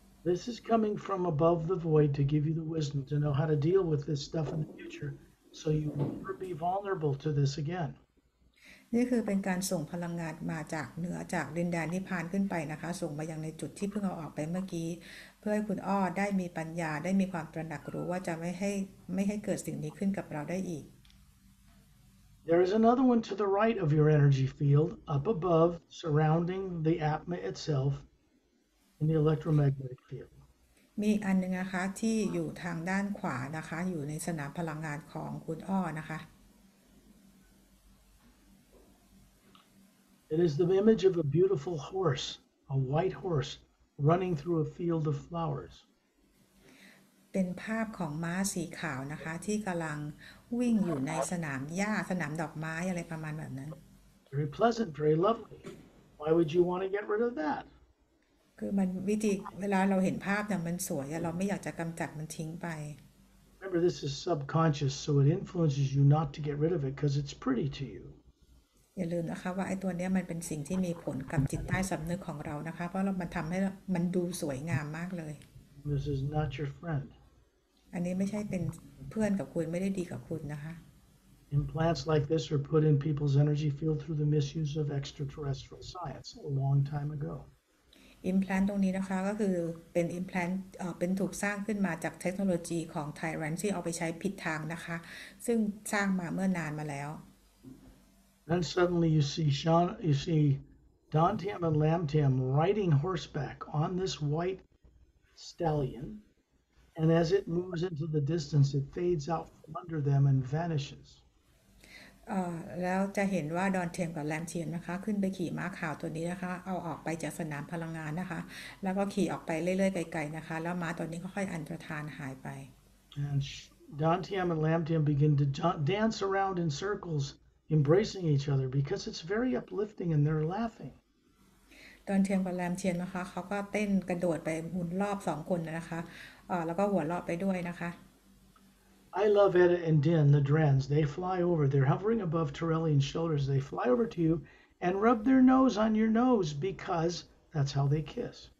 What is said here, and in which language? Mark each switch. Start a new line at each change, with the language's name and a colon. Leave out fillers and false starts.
English: This is coming from above the void to give you the wisdom to know how to deal with this stuff in the future so you will never be vulnerable to this again.
Thai: นี่คือเป็นการส่งพลังงานมาจากเหนือจากดินแดนนิพพานขึ้นไปนะคะส่งมายังในจุดที่เพิ่งเอาออกไปเมื่อกี้เพื่อให้คุณอ้อได้มีปัญญาได้มีความตระหนักรู้ว่าจะไม่ให้เกิดสิ่งนี้ขึ้นกับเราได้อีก
English: There is another one to the right of your energy field up above surrounding the Atma itself. In the electromagnetic field.
Thai: มีอันนึงนะคะที่อยู่ทางด้านขวานะคะอยู่ในสนามพลังงานของคุณอ้อนะคะ
English: It is the image of a beautiful horse, a white horse, running through a field of flowers.
Thai: เป็นภาพของม้าสีขาวนะคะที่กำลังวิ่งอยู่ในสนามหญ้าสนามดอกไม้อะไรประมาณแบบนั้น
English: Very pleasant, very lovely. Why would you want to get rid of that?
Thai: คือมันวิธีเวลาเราเห็นภาพเนี่ยมันสวยอะเราไม่อยากจะกำจัดมันทิ้งไป
English: Remember this is subconscious so it influences you not to get rid of it because it's pretty to you
Thai: อย่าลืมนะคะว่าไอ้ตัวเนี้ยมันเป็นสิ่งที่มีผลกับจิตใต้สำนึกของเรานะคะเพราะเรามันทำให้มันดูสวยงามมากเลย
English: This is not your friend
Thai: อันนี้ไม่ใช่เป็นเพื่อนกับคุณไม่ได้ดีกับคุณนะคะ
English: Implants like this were put in people's energy field through the misuse of extraterrestrial science a long time ago
Thai: อิมแพลนต์ตรงนี้นะคะก็คือเป็นอิมแพลนต์เป็นถูกสร้างขึ้นมาจากเทคโนโลยีของไทแรนที่เอาไปใช้ผิดทางนะคะซึ่งสร้างมาเมื่อนานมาแล้ว
English: Then suddenly you see Sean you see Don Tam and Lam Tam riding horseback on this white stallion and as it moves into the distance it fades out from under them and vanishes
Thai: แล้วจะเห็นว่าดอนเทียมกับแลมเทียมนะคะขึ้นไปขี่ม้าขาวตัวนี้นะคะเอาออกไปจากสนามพลังงานนะคะแล้วก็ขี่ออกไปเรื่อยๆไกลๆนะคะแล้วม้าตัวนี้ก็ค่อยอันตรธานหายไป
English: And Don Tam and Lam Tam begin to dance around in circles embracing each other because it's very uplifting and they're laughing
Thai: ดอนเทียมกับแลมเทียมนะคะเขาก็เต้นกระโดดไปหมุนรอบสองคนนะคะแล้วก็หัวเราะไปด้วยนะคะ
English: I love Edda and Din, the Drens. They fly over. They're hovering above Torellian's shoulders. They fly over to you and rub their nose on your nose because that's how they kiss.